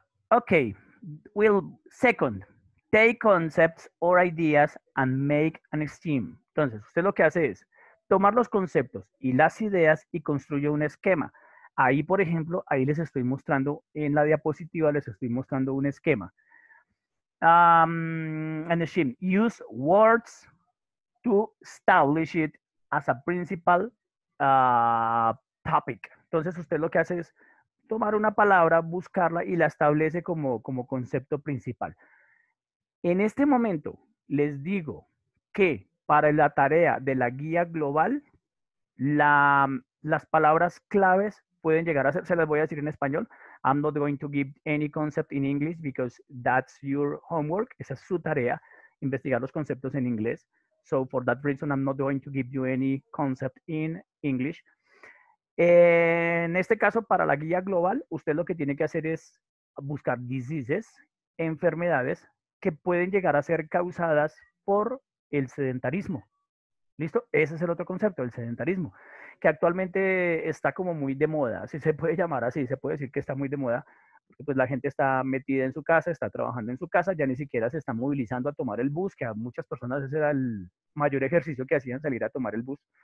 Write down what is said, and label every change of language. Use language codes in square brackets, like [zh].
[en] Okay, we'll second, take concepts or ideas and make an scheme. [es] Entonces, usted lo que hace es tomar los conceptos y las ideas y construye un esquema. Ahí, por ejemplo, ahí les estoy mostrando en la diapositiva, les estoy mostrando un esquema. [en] An scheme, use words to establish it as a principal topic. [es] Entonces, usted lo que hace es tomar una palabra, buscarla y la establece como concepto principal. En este momento, les digo que para la tarea de la guía global, las palabras claves pueden llegar a ser, se las voy a decir en español, [en] I'm not going to give any concept in English [es] because that's your homework, esa es su tarea, investigar los conceptos en inglés. [en] So for that reason, I'm not going to give you any concept in English. [es] En este caso, para la guía global, usted lo que tiene que hacer es buscar diseases, enfermedades que pueden llegar a ser causadas por el sedentarismo. ¿Listo? Ese es el otro concepto, el sedentarismo, que actualmente está como muy de moda, si se puede llamar así, se puede decir que está muy de moda, porque pues la gente está metida en su casa, está trabajando en su casa, ya ni siquiera se está movilizando a tomar el bus, que a muchas personas ese era el mayor ejercicio que hacían, salir a tomar el bus.